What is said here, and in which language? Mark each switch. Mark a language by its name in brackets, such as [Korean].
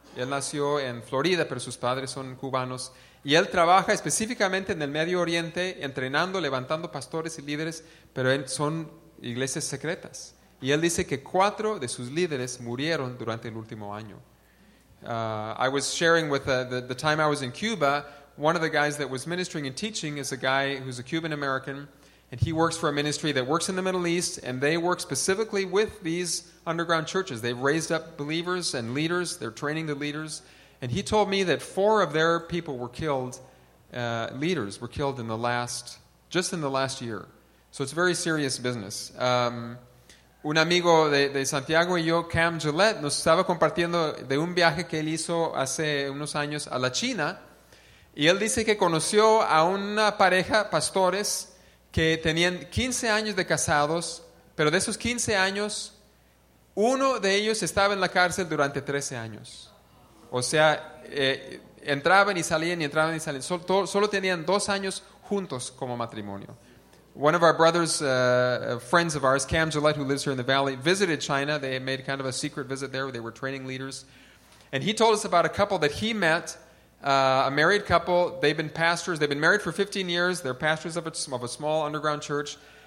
[Spanish] Él nació en Florida, pero sus padres son cubanos. Y él trabaja específicamente en el Medio Oriente, entrenando, levantando pastores y líderes, pero son iglesias secretas. Y él dice que cuatro de sus líderes murieron durante el último año. [English] I was sharing with the time I was in Cuba, one of the guys that was ministering and teaching is a guy who's a Cuban-American, and he works for a ministry that works in the Middle East, and they work specifically with these underground churches. They've raised up believers and leaders. They're training the leaders. And he told me that four of their people were killed, leaders were killed just in the last year. So it's very serious business. [Spanish] Un amigo de Santiago y yo, Cam Gillette, nos estaba compartiendo de un viaje que él hizo hace unos años a la China. Y él dice que conoció a una pareja, pastores, que tenían 15 años de casados, pero de esos 15 años, Uno de ellos estaba en la cárcel durante 13 años. O sea, entraban y salían y entraban y salían. Solo tenían 2 años juntos como matrimonio. [English] One of our brothers, friends of ours, Cam Gillette, who lives here in the valley, visited China. They made kind of a secret visit there. They were training leaders. And he told us about a couple that he met, a married couple. They've been pastors. They've been married for 15 years. They're pastors of a small underground church.